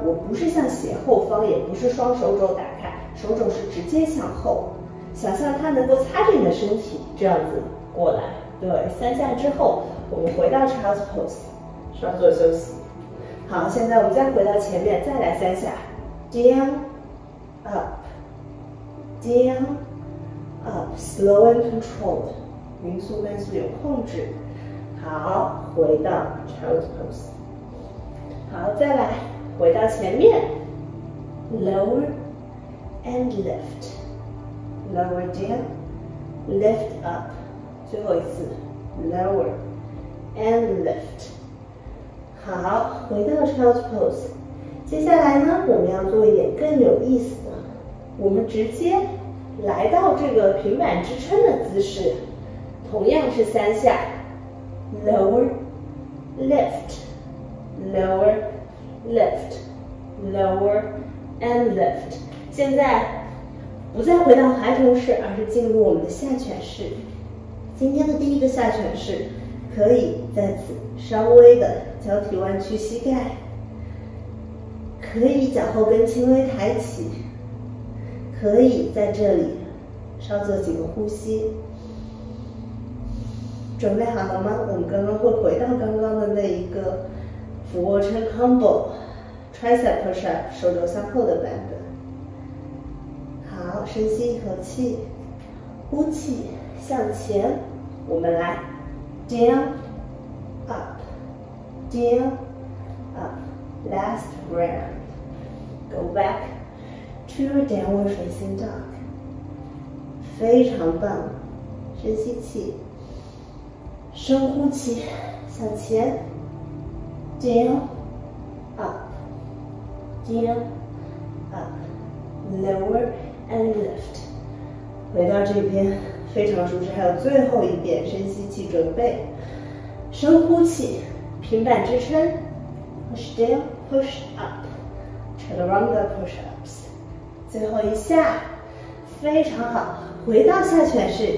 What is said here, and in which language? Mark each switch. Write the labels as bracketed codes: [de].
[zh] 我不是向斜后方，也不是双手肘打开，手肘是直接向后。想象它能够擦着你的身体，这样子过来。对，三下之后，我们回到 [en] child's pose， [zh] 稍作休息。好，现在我们再回到前面，再来三下 ， [en] down up。 Down, up, slow and controlled， [zh] 匀速慢速有控制。好，回到 [en] child's pose。 [zh] 好，再来，回到前面。 [en] Lower and lift, lower down, lift up。 [zh] 最后一次 ， [en] lower and lift。 [zh] 好，回到 [en] child's pose。 [zh] 接下来呢，我们要做一点更有意思的，我们直接。来到这个平板支撑的姿势，同样是三下 ， [en] lower lift lower lift lower and lift。 [zh] 现在不再回到孩童式，而是进入我们的下犬式。今天的第一个下犬式，可以在此稍微的脚体弯曲膝盖，可以脚后跟轻微抬起。可以在这里稍作几个呼吸，准备好了吗？我们刚刚会回到刚刚的那一个俯卧撑 [en] combo tricep push-up [zh] 手肘向后的版本。好，深吸一口气，呼气向前，我们来 [en] down up down up last round go back。 To a downward facing dog， [zh] 非常棒。深吸气，深呼气，向前 ， [en] down， up， down， up， lower and lift。 [zh] 回到这边，非常舒适。还有最后一遍，深吸气，准备，深呼气，平板支撑 ， [en] push down， push up， chaturanga push-ups。 [zh] 最后一下，非常好，回到下犬式。